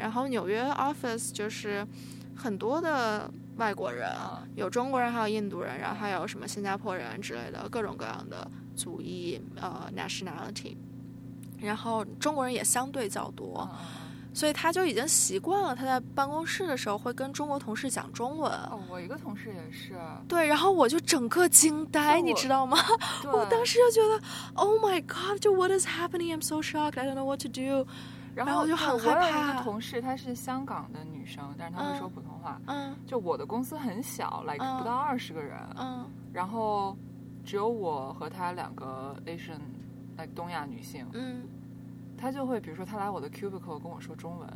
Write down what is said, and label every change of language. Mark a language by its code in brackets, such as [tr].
[zh] 然后纽约 office 就是很多的外国人，有中国人，还有印度人，然后还有什么新加坡人之类的各种各样的族裔nationality， 然后中国人也相对较多。所以他就已经习惯了他在办公室的时候会跟中国同事讲中文。哦，我一个同事也是。对，然后我就整个惊呆，你知道吗？对，我当时就觉得 [en] Oh my god， 就 What is happening， I'm so shocked， I don't know what to do。 [zh] 然后就很害怕。我有一个同事，她是香港的女生，但是她会说普通话。嗯，就我的公司很小，来、不到20个人。嗯，然后只有我和她两个 Asian， like 东亚女性。嗯，她就会，比如说她来我的 cubicle 跟我说中文。